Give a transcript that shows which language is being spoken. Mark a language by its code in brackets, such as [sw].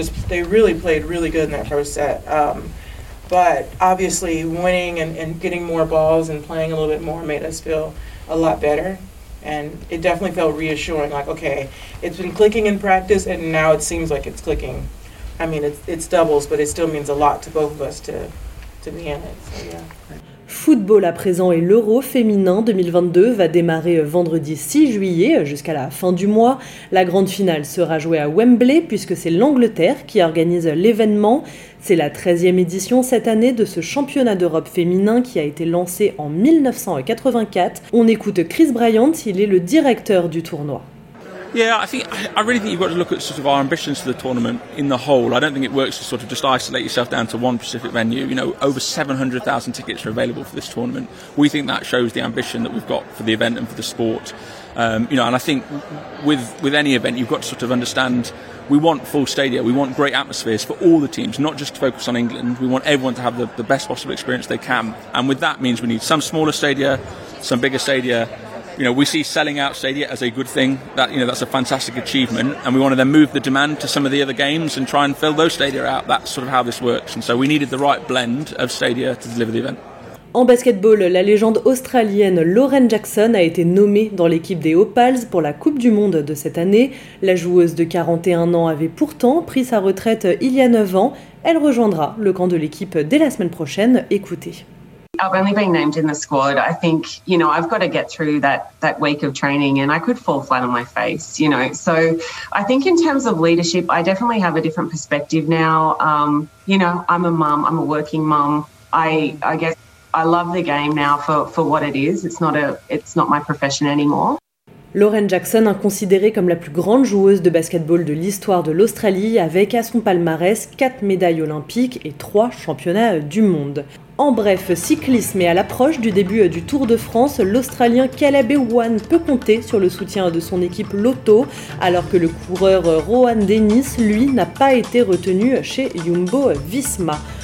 [en] They really played really good in that first set. But obviously winning and getting more balls and playing a little bit more made us feel a lot better, and it definitely felt reassuring, like, okay, it's been clicking in practice, and now it seems like it's clicking. I mean, it's doubles, but it still means a lot to both of us to be in it, so yeah. [fr] Football à présent et l'Euro féminin 2022 va démarrer vendredi 6 juillet jusqu'à la fin du mois. La grande finale sera jouée à Wembley puisque c'est l'Angleterre qui organise l'événement. C'est la 13e édition cette année de ce championnat d'Europe féminin qui a été lancé en 1984. On écoute Chris Bryant, il est le directeur du tournoi. [en] Yeah, I really think you've got to look at sort of our ambitions for the tournament in the whole. I don't think it works to sort of just isolate yourself down to one specific venue. You know, over 700,000 tickets are available for this tournament. We think that shows the ambition that we've got for the event and for the sport. You know, and I think with any event, you've got to sort of understand we want full stadia, we want great atmospheres for all the teams, not just to focus on England. We want everyone to have the best possible experience they can. And with that means we need some smaller stadia, some bigger stadia. You know, we see selling out stadia as a good thing. That, you know, that's a fantastic achievement. And we want to then move the demand to some of the other games and try and fill those stadia out. That's sort of how this works. And so we needed the right blend of stadia to deliver the event. [fr] En basketball, la légende australienne Lauren Jackson a été nommée dans l'équipe des Opals pour la Coupe du Monde de cette année. La joueuse de 41 ans avait pourtant pris sa retraite il y a 9 ans. Elle rejoindra le camp de l'équipe dès la semaine prochaine. Écoutez. [en] I've only been named in the squad. I think, you know, I've got to get through that week of training and I could fall flat on my face, you know. So I think in terms of leadership, I definitely have a different perspective now. You know, I'm a mum, I'm a working mum. I guess I love the game now for what it is. It's not my profession anymore. [fr] Lauren Jackson, considérée comme la plus grande joueuse de basketball de l'histoire de l'Australie, avec à son palmarès 4 médailles olympiques et 3 championnats du monde. En bref, cyclisme et à l'approche du début du Tour de France, l'Australien Caleb Ewan peut compter sur le soutien de son équipe Lotto, alors que le coureur Rohan Dennis, lui, n'a pas été retenu chez Jumbo Visma.